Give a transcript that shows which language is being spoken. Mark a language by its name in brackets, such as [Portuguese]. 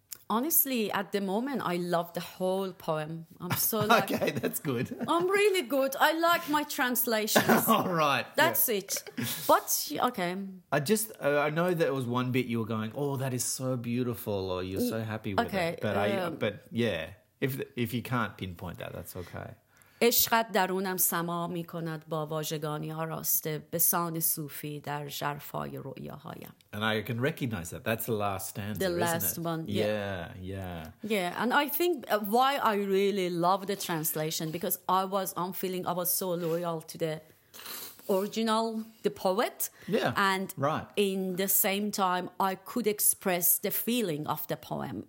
[English] Honestly, at the moment, I love the whole poem. I'm so okay, that's good. I'm really good. I like my translations. All right. That's it. But, okay. I know there was one bit you were going, oh, that is so beautiful, or you're so happy with it. But yeah. If you can't pinpoint that, that's okay. [Persian] عشقت درونم سما می کند با واژگانی آراسته به سان صوفی در ژرفای رؤیاهایم. [English] And I can recognize that. That's the last stanza, isn't it? Yeah. Yeah. Yeah. And I think why I really love the translation, because I was so loyal to the original, the poet. Yeah. And right. In the same time, I could express the feeling of the poem.